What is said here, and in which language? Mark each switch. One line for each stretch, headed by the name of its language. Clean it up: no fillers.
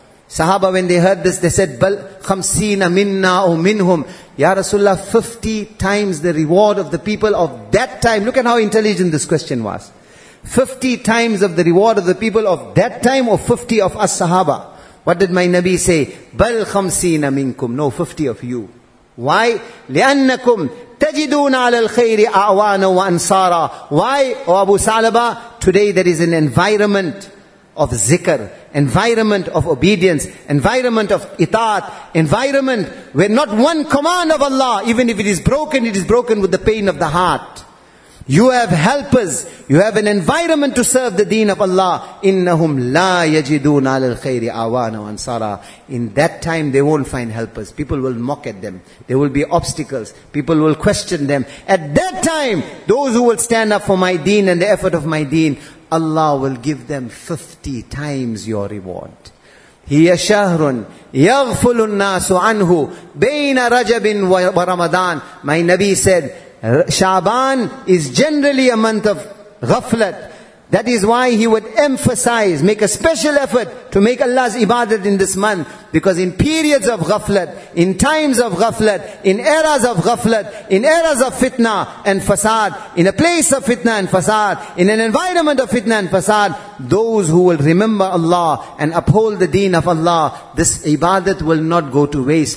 English: Sahaba, when they heard this, they said,
Arabic: Bal khamsina minna o minhum.
English: Ya Rasulullah, 50 times the reward of the people of that time. Look at how intelligent this question was. 50 times of the reward of the people of that time, or 50 of us Sahaba? What did my Nabi say?
Arabic: Bal khamsina minkum.
English: No, 50 of you. Why?
Arabic: لأنكم تجدون على الخير أعوانا وأنصارا.
English: Why? O Abu Salaba, today there is an environment of zikr, environment of obedience, environment of itaat, environment where not one command of Allah, even if it is broken with the pain of the heart. You have helpers, you have an environment to serve the deen of Allah.
Arabic: إنهم لا يجدون على الخير أعوانا وأنصارا.
English: In that time they won't find helpers. People will mock at them. There will be obstacles. People will question them. At that time, those who will stand up for my deen and the effort of my deen, Allah will give them 50 times your reward.
Arabic: هي شهر يغفل الناس عنه بين رجب ورمضان.
English: My Nabi said, Shaban is generally a month of ghaflat. That is why he would emphasize, make a special effort to make Allah's ibadat in this month. Because in periods of ghaflat, in times of ghaflat, in eras of ghaflat, in eras of fitna and fasad, in a place of fitna and fasad, in an environment of fitna and fasad, those who will remember Allah and uphold the deen of Allah, this ibadat will not go to waste.